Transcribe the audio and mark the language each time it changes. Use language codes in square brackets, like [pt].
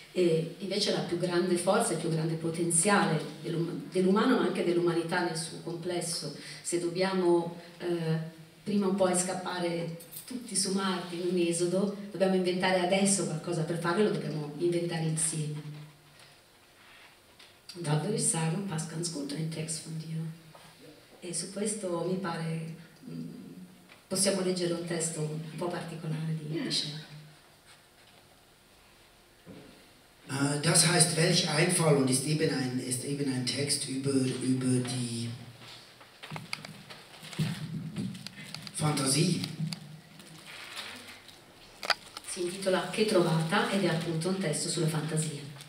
[it] E invece la più grande forza e il più grande potenziale dell'umano, ma anche dell'umanità nel suo complesso, se dobbiamo prima o poi scappare tutti su Marte in un esodo, dobbiamo inventare adesso qualcosa per farlo, lo dobbiamo inventare insieme. Davvero il sarum pascan scultura in text von Dio. E su questo mi pare possiamo leggere un testo un po' particolare di Michel. [de] Das heißt, welch Einfall, und ist eben ein Text über die Fantasie. [it] Si intitola Che trovata ed è appunto un testo sulla fantasia.